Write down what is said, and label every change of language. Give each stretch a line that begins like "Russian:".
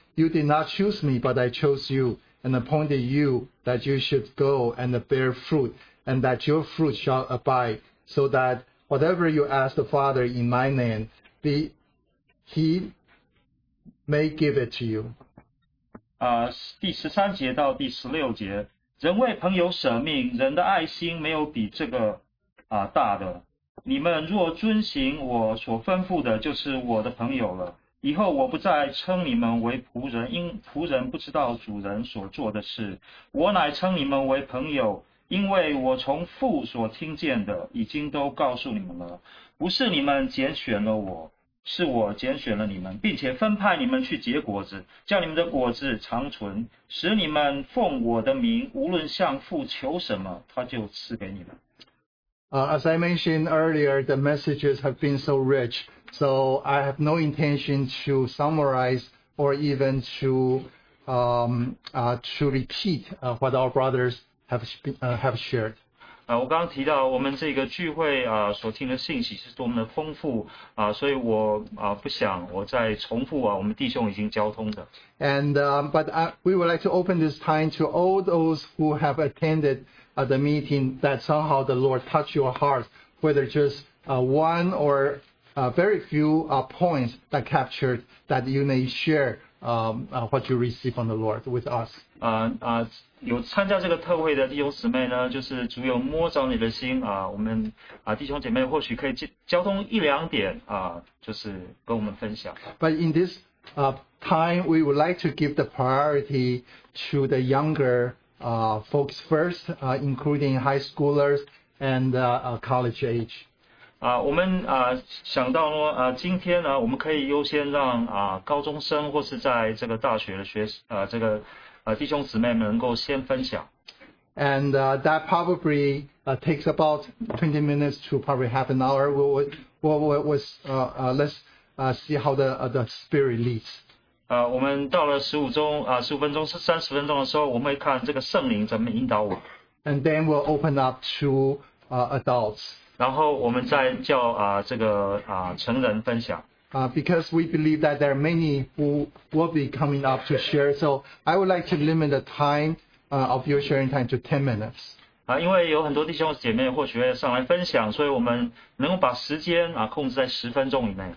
English: You did not choose me, but I chose you and appointed you that you should go and bear fruit, and that your fruit shall abide, so that whatever you ask the Father in my name, he may give it to you.
Chinese: 第十三节到第十六节，人为朋友舍命，人的爱心没有比这个大的。你们若遵行我所吩咐的，就是我的朋友了。以后我不再称你们为仆人，因仆人不知道主人所做的事。我乃称你们为朋友，因为我从父所听见的已经都告诉你们了，不是你们拣选了我，是我拣选了你们，并且分派你们去结果子，叫你们的果子长存，使你们奉我的名无论向父求什么，他就赐给你们。
English: As I mentioned earlier, the messages have been so rich, so I have no intention to summarize or even to repeat what our brothers have shared.
Chinese: 我刚刚提到我们这个聚会所听的信息是多么的丰富所以我不想我再重复我们弟兄已经交通的。
English: We would like to open this time to all those who have attended the meeting that somehow the Lord touched your heart, whether just one or very few points that captured that you may share what you receive from the Lord with us.
Chinese: 有参加这个特会的弟兄姊妹呢，就是主有摸着你的心我们弟兄姐妹或许可以交通一两点就是跟我们分享。
English: But in this time, we would like to give the priority to the younger folks first, including high schoolers and college age.
Chinese: 我们想到呢，今天呢，我们可以优先让高中生或是在这个大学的学这个。弟兄姊妹们能够先分享。
English: And that probably takes about 20 minutes to probably half an hour. Let's see how the Spirit leads.
Chinese: 我们到了15分钟是30分钟的时候，我们会看这个圣灵怎么引导我。
English: And then we'll open up to adults.
Chinese: 然后我们再叫这个成人分享。
English: Because we believe that there are many who will be coming up to share, so I would like to limit the time of your sharing time to 10 minutes.
Chinese: 因为有很多弟兄姐妹或许会上来分享，所以我们能够把时间控制在十分钟以内。